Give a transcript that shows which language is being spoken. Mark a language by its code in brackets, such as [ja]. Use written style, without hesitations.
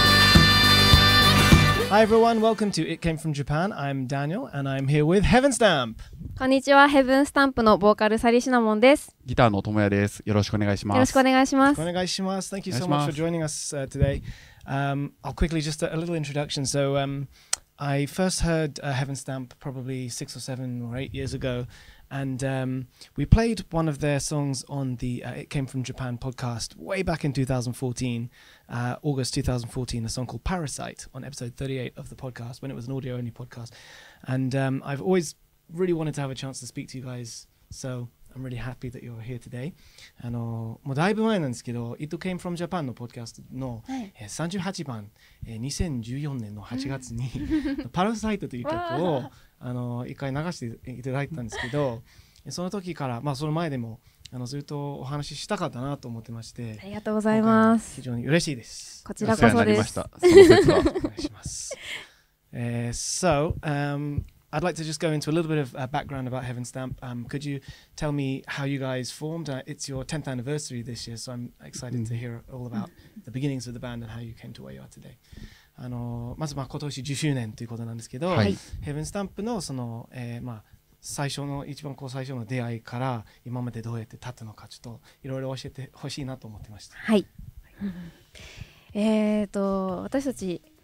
[en] the end. Hi everyone, welcome to It Came From Japan. I'm Daniel and I'm here with Heaven Stamp. [ja] こんにちは、ヘブンスタンプのボーカルサリシナモンです。ギターのトモヤです。よろしくお願いします。よろしくお願いします。お願いします。 [en] Thank you so much for joining us today. I'll quickly just a little introduction. So, I first heard Heaven Stamp probably 6 or 7 or 8 years ago. And we played one of their songs on the It Came From Japan podcast way back in 2014, August 2014, a song called Parasite on episode 38 of the podcast when it was an audio-only podcast. And I've always... really wanted to have a chance to speak to you guys, so I'm really happy that you're here today. [ja] もうだいぶ前なんですけど、It Came From Japan のポッドキャストの、はい、38番、2014年の8月に、パラサイトという曲を一回流していただいたんですけど、その時から、まあその前でもずっとお話ししたかったなと思ってまして、ありがとうございます。非常に嬉しいです。こちらこそです。お世話になりました。お願いします。 [en] So, I'd like to just go into a little bit of background about Heaven Stamp. Could you tell me how you guys formed? It's your 10th anniversary this year, so I'm excited to hear all about the beginnings of the band and how you came to where you are today. [ja] まずまあ今年10周年ということなんですけど、はい、Heaven Stamp のその、まあ最初の一番こう最初の出会いから今までどうやって立ったのかちょっといろいろ教えてほしいなと思ってました。はい。私たち。